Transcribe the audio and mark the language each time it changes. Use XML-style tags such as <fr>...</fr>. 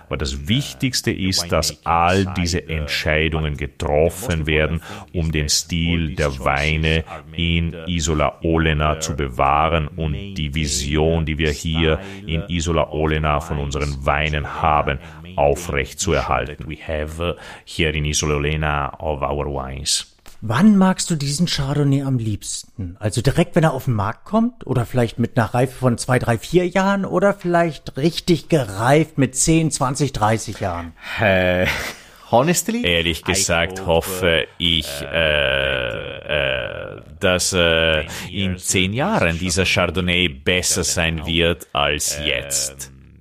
<de>Aber das Wichtigste ist, dass all diese Entscheidungen getroffen werden, um den Stil der Weine in Isola Olena zu bewahren und die Vision, die wir hier in Isola Olena von unseren Weinen haben, aufrecht zu erhalten.</de> <en>We have here in Isola Olena of our wines.</en> <de>Wann magst du diesen Chardonnay am liebsten? Also direkt, wenn er auf den Markt kommt? Oder vielleicht mit einer Reife von 2, 3, 4 Jahren? Oder vielleicht richtig gereift mit 10, 20, 30 Jahren?</de> <en>Honestly?</en> <de>Ehrlich gesagt hoffe ich, dass in 10 Jahren dieser Chardonnay besser sein wird als jetzt.</de>